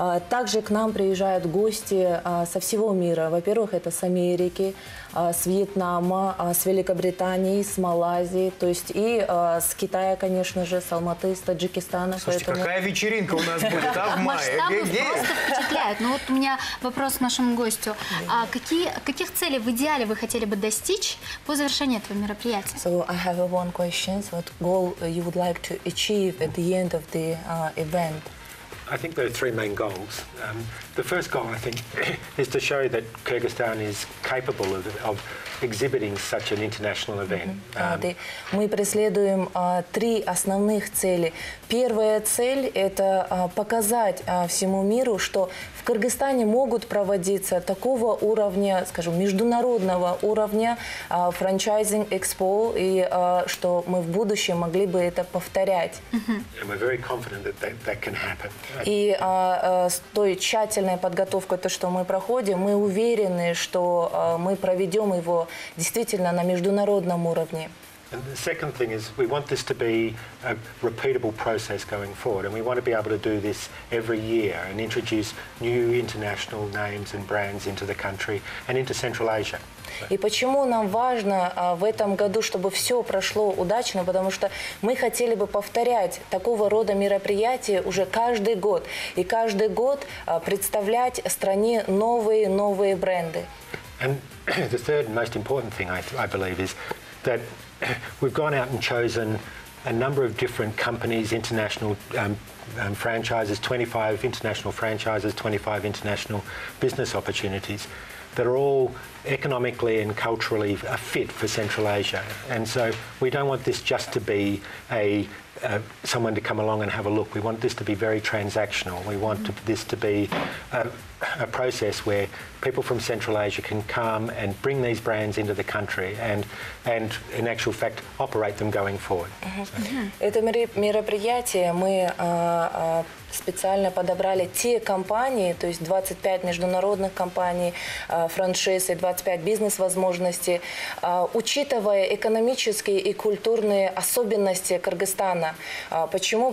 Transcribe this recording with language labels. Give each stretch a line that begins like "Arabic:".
Russian: Также к нам приезжают гости со всего мира. Во-первых, это с Америки, с Вьетнама, с Великобритании, с Малайзии, то есть и с Китая, конечно же, с Алматы, с Таджикистана. Слушайте, поэтому какая вечеринка у нас будет, а, в мае? Масштабы просто впечатляют. Ну вот у меня вопрос к нашему гостю. А каких целей в идеале вы хотели бы достичь по завершении этого мероприятия?
English: So I have one question. What goal you would like to achieve at the end of the event? I think there are three main goals. The first goal, I think, is to show that Kyrgyzstan is capable of exhibiting such an international event.
Russian: Мы преследуем три основных цели. Первая цель – это показать всему миру, что в Кыргызстане могут проводиться такого уровня, скажем, международного уровня франчайзинг экспо, и что мы в будущем могли бы это повторять.
English: And we're very confident that that can happen.
Russian: И с той тщательной подготовкой, то, что мы проходим, мы уверены, что мы проведем его действительно на международном уровне.
English: And the second thing is we want this to be a repeatable process going forward, and we want to be able to do this every year and introduce new international names and brands into the country and into Central Asia.
Russian: И почему нам важно в этом году, чтобы все прошло удачно, потому что мы хотели бы повторять такого рода мероприятия уже каждый год и каждый год представлять стране новые бренды.
English: And the third and most important thing I believe is that we've gone out and chosen a number of different companies, international franchises, 25 international franchises, 25 international business opportunities that are all economically and culturally a fit for Central Asia. And so we don't want this just to be someone to come along and have a look. We want this to be very transactional. We want this to be a process where people from Central Asia can come and bring these brands into the country and in actual fact operate them going forward.
Russian: Это мероприятие мы специально подобрали те компании, то есть 25 международных компаний, франшиз и 25 бизнес-возможностей, учитывая экономические и культурные особенности Кыргызстана. Почему?